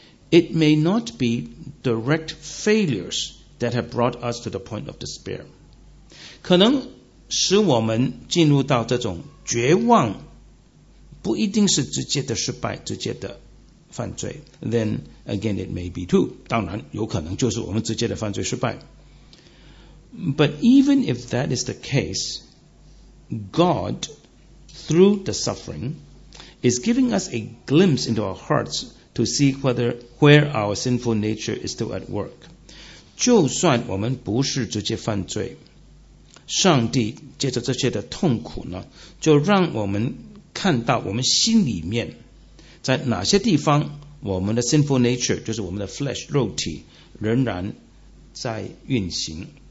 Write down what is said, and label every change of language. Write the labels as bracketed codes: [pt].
[en] It may not be direct failuresThat have brought us to the point of despair. [zh] 可能使我们进入到这种绝望，不一定是直接的失败，直接的犯罪。 [en] Then again, it may be too. [zh] 当然，有可能就是我们直接的犯罪失败。 [en] But even if that is the case, God, through the suffering, is giving us a glimpse into our hearts to see where our sinful nature is still at work. [zh] 就算我们不是直接犯罪，上帝借着这些的痛苦呢，就让我们看到我们心里面在哪些地方我们的 sinful nature 就是我们的 flesh 肉体仍然在运行。